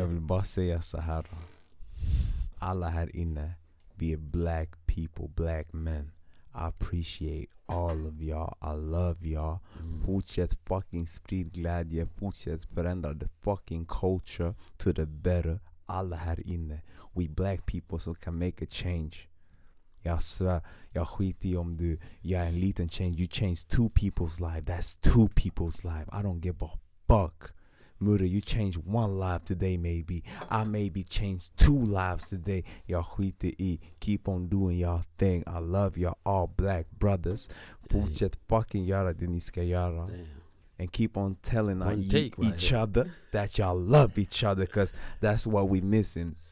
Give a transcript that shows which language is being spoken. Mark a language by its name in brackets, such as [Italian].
[Swedish] Jag vill bara säga så här. Alla här inne, vi är [English] black people, black men. I appreciate all of y'all. I love y'all. [Swedish] Fortsätt fucking sprid glädje. Fortsätt förändra [English] the fucking culture to the better. [Swedish] Alla här inne. [English] We black people so can make a change. [Swedish] Jag svär. Jag skiter om du gör en liten [English] change. You change 2 people's life. That's 2 people's life. I don't give a fuck. Murre, you changed one life today, maybe. I maybe changed two lives today. Y'all [Swedish] skiter i. [English] Keep on doing y'all thing. I love y'all all black brothers. [Swedish] Fortsätt fucking göra det ni ska göra. [English] And keep on telling each other that y'all love each other, because that's what we missing.